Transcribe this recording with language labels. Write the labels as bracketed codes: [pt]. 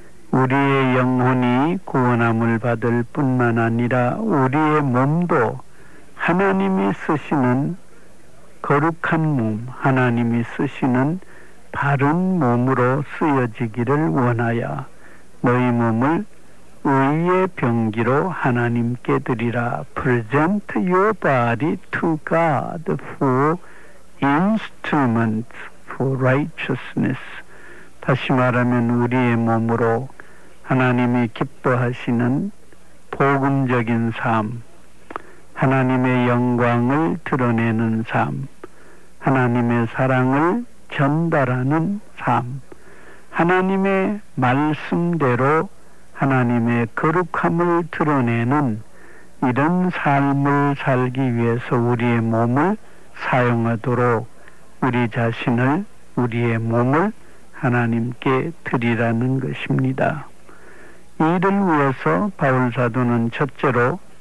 [ko] 우리의 영혼이 구원함을 받을 뿐만 아니라 우리의 몸도 하나님이 쓰시는 거룩한 몸, 하나님이 쓰시는 바른 몸으로 쓰여지기를 원하여 너희 몸을 의의 병기로 하나님께 드리라. [en] Present your body to God for instrument for righteousness. [ko] 다시 말하면 우리의 몸으로 하나님이 기뻐하시는 복음적인 삶, 하나님의 영광을 드러내는 삶, 하나님의 사랑을 전달하는 삶, 하나님의 말씀대로 하나님의 거룩함을 드러내는 이런 삶을 살기 위해서 우리의 몸을 사용하도록 우리 자신을 우리의 몸을 하나님께 드리라는 것입니다. 이를 위해서 바울사도는 첫째로